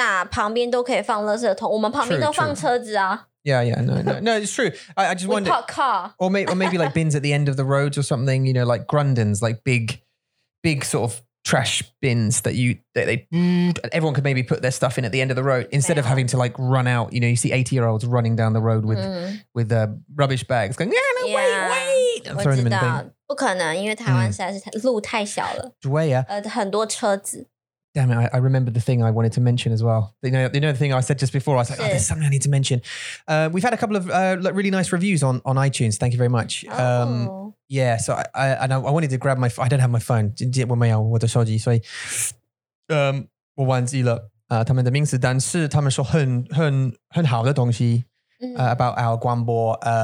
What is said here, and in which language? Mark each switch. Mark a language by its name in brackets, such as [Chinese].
[Chinese] 旁边都可以放垃圾桶, 我们旁边都放车子啊. [English] Yeah, no. No, it's true. I just wonder. We park car. Or maybe like bins at the end of the roads or something, you know, like Grundins, like big sort of trash bins that everyone could maybe put their stuff in at the end of the road instead of having to like run out. You know, you see 80-year-olds running down the road with rubbish bags going, yeah, no, yeah, wait. And throwing them in the bin. [Chinese] 不可能,因为台湾实在是路太小了。很多车子。 [English] Damn it, I remember the thing I wanted to mention as well. You know the thing I said just before? I was like, oh, there's something I need to mention. We've had a couple of really nice reviews on iTunes. Thank you very much. Yeah, so I wanted to grab my phone. I don't have my phone. [Chinese] 我没有我的手机, 所以, 我忘记了, 他们的名字, 但是他们说很好的东西, [English] about our [Chinese] 广播.